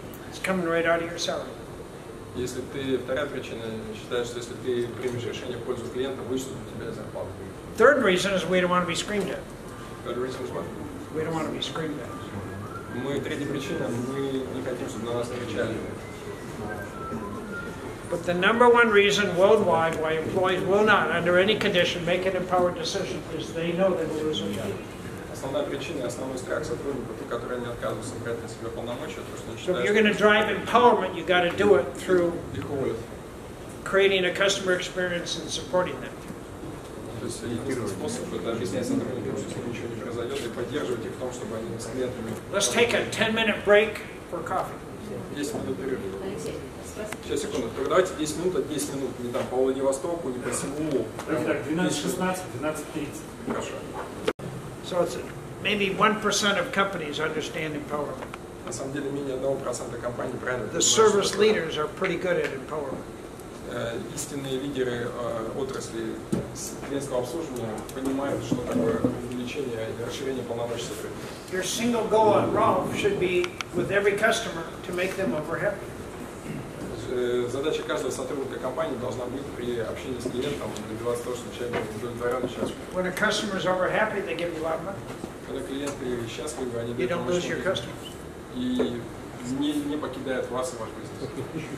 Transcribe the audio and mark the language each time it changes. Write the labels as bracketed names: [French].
[English] It's coming right out of your salary. [Russian] Если ты вторая причина считаешь, что если ты примешь решение в пользу клиента, вычтут у тебя зарплату. [English] Third reason is we don't want to be screamed at. Third reason is what? We don't want to be screamed at. [Russian] Мы третья причина, мы не хотим, чтобы на нас кричали. [English] But the number one reason worldwide why employees will not, under any condition, make an empowered decision is they know they will lose their job. [Russian] Основная причина, основной страх сотрудников, по которой они отказываются брать на себя полномочия, то что они считают. [English] So if you're going to drive empowerment, you got to do it through creating a customer experience and supporting them. [Russian] То есть единственный способ это объяснять сотрудникам, что с ним ничего не произойдет, и поддерживать их в том, чтобы они с клиентами. [English] Let's take a 10-minute break for coffee. [Russian] 10 минут перерыв. Сейчас, секунду. Только давайте 10 минут, не там по Владивостоку, не по Сеулу. Так, 12:16, 12:30. Хорошо. [English] So it's maybe 1% of companies understand empowerment. [Russian] на самом деле менее 1% компаний правильно понимают. [English] The service leaders are pretty good at empowerment. [Russian] Истинные лидеры отрасли клиентского обслуживания понимают, что такое увеличение и расширение полномочий сотрудников. [English] Your single goal at Rolf should be with every customer to make them over happy. [Russian] Задача каждого сотрудника компании должна быть при общении с клиентом добиваться того, чтобы человек был удовлетворен и счастлив. [English] When a customer is over happy, they give you a lot of money. [Russian] Когда клиенты счастливы, они дают вам очень много денег. И не покидают вас и ваш бизнес.